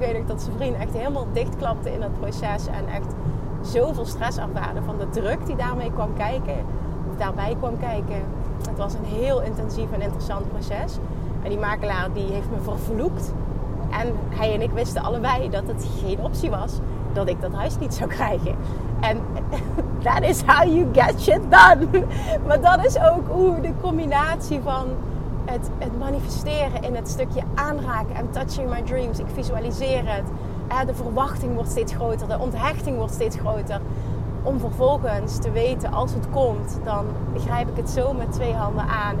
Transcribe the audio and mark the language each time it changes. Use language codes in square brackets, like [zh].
[nl] Ik weet ook dat zijn vriend echt helemaal dichtklapte in dat proces. En echt zoveel stress ervaarde van de druk die daarmee kwam kijken. Of daarbij kwam kijken. Het was een heel intensief en interessant proces. En die makelaar die heeft me vervloekt. En hij en ik wisten allebei dat het geen optie was dat ik dat huis niet zou krijgen. [en] En that is how you get shit done. [nl] Maar dat is ook hoe de combinatie van het manifesteren in het stukje aanraken en [en] touching my dreams. [nl] Ik visualiseer het. De verwachting wordt steeds groter. De onthechting wordt steeds groter. Om vervolgens te weten als het komt, dan grijp ik het zo met 2 handen aan.